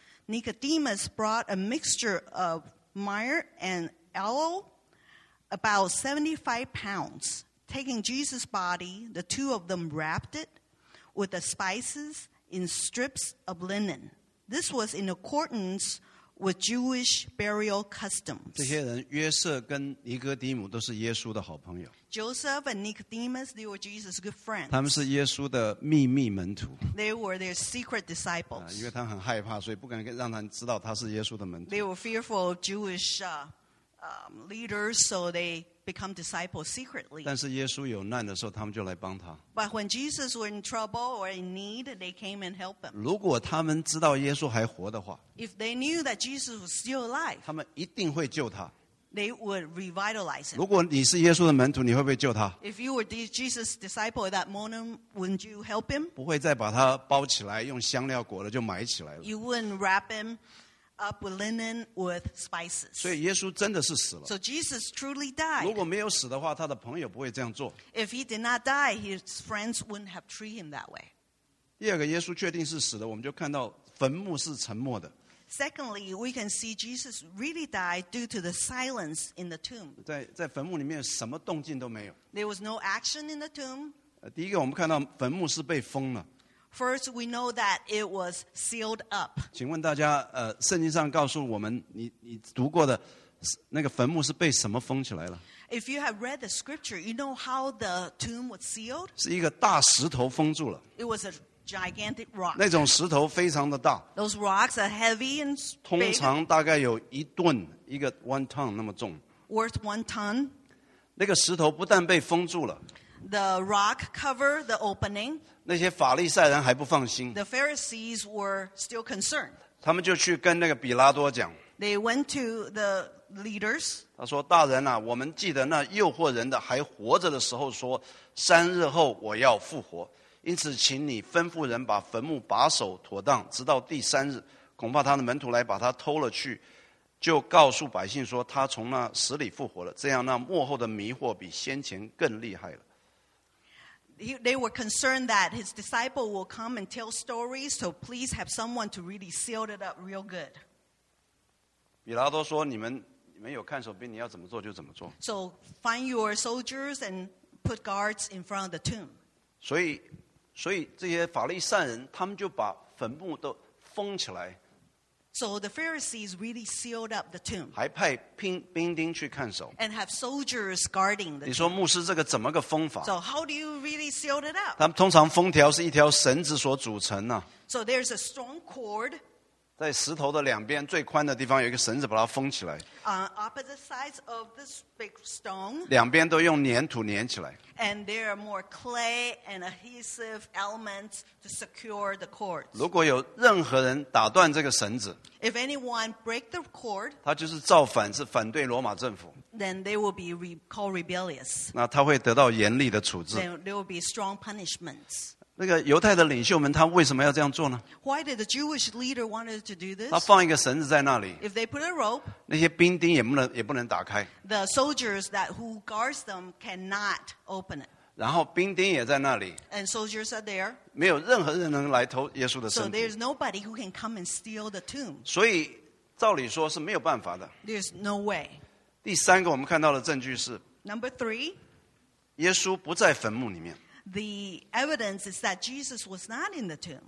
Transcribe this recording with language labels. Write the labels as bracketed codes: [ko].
[en] Nicodemus brought a mixture of myrrh and aloe, about 75 pounds. Taking Jesus' body, the two of them wrapped it with the spices in strips of linen. This was in accordance with Jewish burial customs. [zh] 这些人，约瑟跟尼哥底母都是耶稣的好朋友。 [en] Joseph and Nicodemus, they were Jesus' good friends. [zh] 他们是耶稣的秘密门徒。 [en] They were their secret disciples. [zh] 因为他很害怕，所以不敢让他知道他是耶稣的门徒。 [en] They were fearful of Jewish leaders, so they become disciples secretly. [zh] 但是耶稣有难的时候，他们就来帮他。 [en] But when Jesus was in trouble or in need, they came and helped him. [zh] 如果他们知道耶稣还活的话， [en] If they knew that Jesus was still alive, [zh] 他们一定会救他。 [en] They would revitalize him. [zh] 如果你是耶稣的门徒，你会不会救他？ [en] If you were Jesus' disciple at that moment, wouldn't you help him? [zh] 不会再把他包起来，用香料裹了就埋起来了。 [en] You wouldn't wrap him up with linen with spices. [zh] 所以耶稣真的是死了。 [en] So Jesus truly died. [zh] 如果没有死的话，他的朋友不会这样做。 [en] If he did not die, his friends wouldn't have treated him that way. [zh] 第二个，耶稣确定是死的，我们就看到坟墓是沉默的。 [en] Secondly, we can see Jesus really died due to the silence in the tomb. [zh] 在坟墓里面什么动静都没有。 [en] There was no action in the tomb. [zh] 第一个，我们看到坟墓是被封了。 [en] First, we know that it was sealed up. [zh] 请问大家，圣经上告诉我们，你读过的那个坟墓是被什么封起来了？ [en] If you have read the scripture, you know how the tomb was sealed. [zh] 是一个大石头封住了。 [en] It was a gigantic rock. [zh] 那种石头非常的大。 [en] Those rocks are heavy and big. [zh] 通常大概有一吨，一个 [en] one ton [zh] 那么重。 [en] Worth one ton. [zh] 那个石头不但被封住了。 [en] The rock covered the opening. [zh] 那些法利赛人还不放心。 [en] The Pharisees were still concerned. [zh] 他们就去跟那个比拉多讲。 [en] They went to the leaders. [zh] 他说，大人啊，我们记得那诱惑人的还活着的时候说，三日后我要复活。因此请你吩咐人把坟墓把守妥当，直到第三日，恐怕他的门徒来把他偷了去，就告诉百姓说他从那死里复活了，这样那幕后的迷惑比先前更厉害了。 [en] They were concerned that his disciple will come and tell stories, so please have someone to really seal it up real good. [zh] 米拉多说, 你们有看守兵, [en] so find your soldiers and put guards in front of the tomb. [zh] 所以这些法利善人他们就把坟墓都封起来, [en] so the Pharisees really sealed up the tomb. [zh] 还派兵丁去看守, [en] and have soldiers guarding the tomb. [zh] 你说牧师这个怎么个封法? [en] So how do you really seal it up? [zh] 他们通常封条是一条绳子所组成啊, [en] so there's a strong cord. [zh] 在石头的两边最宽的地方有一个绳子把它封起来, [en] opposite sides of this big stone. [zh] 两边都用粘土粘起来, [en] and there are more clay and adhesive elements to secure the cords. [zh] 如果有任何人打断这个绳子, [en] if anyone break the cord, [zh] 他就是造反，是反对罗马政府, [en] then they will be called rebellious. [zh] 那他会得到严厉的处置, [en] then there will be strong punishments. [zh] 那个犹太的领袖们他为什么要这样做呢? [en] Why did the Jewish leader want to do this? [zh] 他放一个绳子在那里, [en] if they put a rope, [zh] 那些兵丁也不能打开, [en] the soldiers that who guards them cannot open it. [zh] 然后兵丁也在那里, [en] and soldiers are there. [zh] 没有任何人能来偷耶稣的身体, [en] so there's nobody who can come and steal the tomb. [zh] 所以照理说是没有办法的, [en] there's no way. [zh] 第三个我们看到的证据是, [en] number three, [zh] 耶稣不在坟墓里面, [en] the evidence is that Jesus was not in the tomb.